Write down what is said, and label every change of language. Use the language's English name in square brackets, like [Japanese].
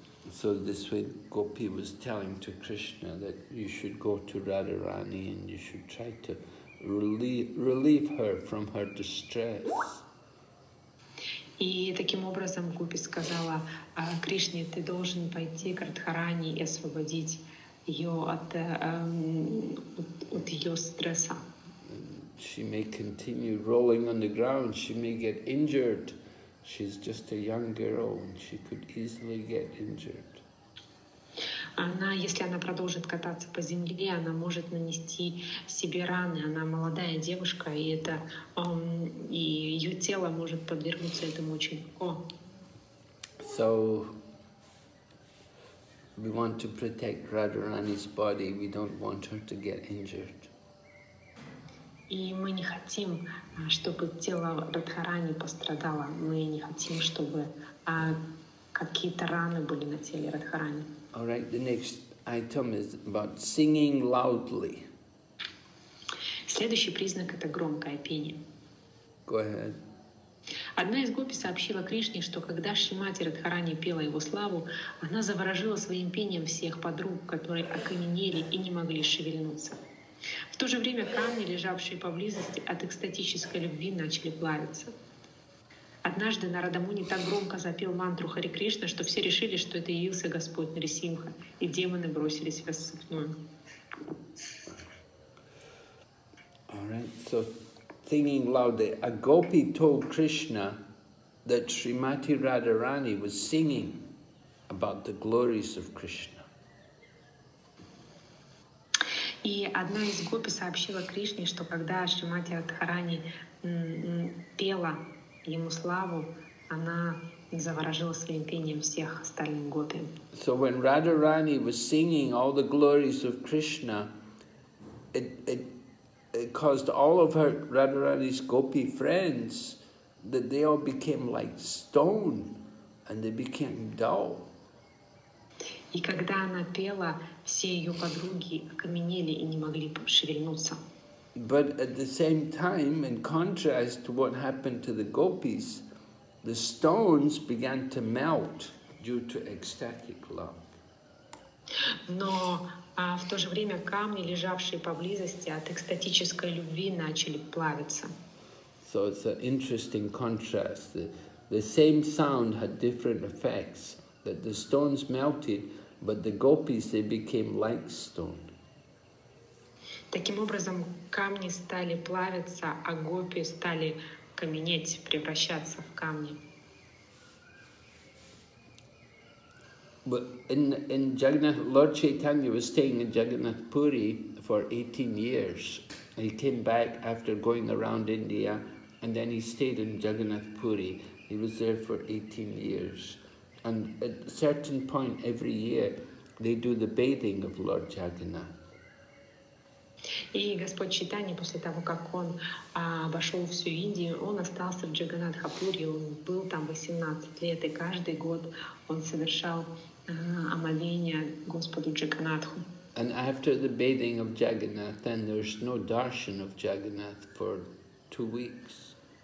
[English] So this way Gopi was telling to Krishna that you should go to Radharani and you should try to relieve her from her distress. [Russian] И таким образом Гопи сказала Кришне, ты должен пойти к Радхарани и освободить ее от ее стресса. [English] She may continue rolling on the ground, she may get injured. She's just a young girl and she could easily get injured. [Russian] Она, если она продолжит кататься по земле, она может нанести себе раны. Она молодая девушка, и это и ее тело может подвергнуться этому очень легко. [English] So we want to protect Radharani's body. We don't want her to get injured. [Russian] И мы не хотим, чтобы тело Радхарани пострадало. Мы не хотим, чтобы какие-то раны были на теле Радхарани. [English] All right, the next item is about singing loudly. [Russian] Следующий признак — это громкое пение. [English] Go ahead. [Russian] Одна из гопи сообщила Кришне, что когда Шримати Радхарани пела его славу, она заворожила своим пением всех подруг, которые окаменели и не могли шевельнуться. В то же время камни, лежавшие поблизости от экстатической любви, начали плавиться. Однажды Нарада Муни так громко запел мантру Хари Кришна, что все решили, что это явился Господь Нарисимха, и демоны бросились в рассыпную. [English] All right, so singing loudly, a gopi told Krishna that Srimati Radharani was singing about the glories of Krishna. [Russian] И одна из гопи сообщила Кришне, что когда Шримати Радхарани пела ему славу, она заворожила своим пением всех остальных гопи. [English] So when Radharani was singing all the glories of Krishna, it caused all of her Radharani's gopi friends that they all became like stone and they became dull. [Russian] И когда она пела, все ее подруги окаменели и не могли шевельнуться. [English] But at the same time, in contrast to what happened to the gopis, the stones began to melt due to ecstatic love. [Russian] Но в то же время камни, лежавшие поблизости от экстатической любви, начали плавиться. [English] So it's an interesting contrast. The same sound had different effects, that the stones melted, but the gopis, they became like stone. [Russian] Таким образом, камни стали плавиться, а гопи стали каменеть, превращаться в камни. [English] But in Jagannath, Lord Chaitanya was staying in Jagannath Puri for 18 years. He came back after going around India, and then he stayed in Jagannath Puri. He was there for 18 years. And at a certain point every year, they do the bathing of Lord Jagannath. [Russian] И Господь Чайтанья, после того, как он обошел всю Индию, он остался в Джаганнатхапуре, он был там 18 лет, и каждый год он совершал омовение Господу Джаганнатху. [English] And after the bathing of Jagannath, then there's no darshan of Jagannath for 2 weeks.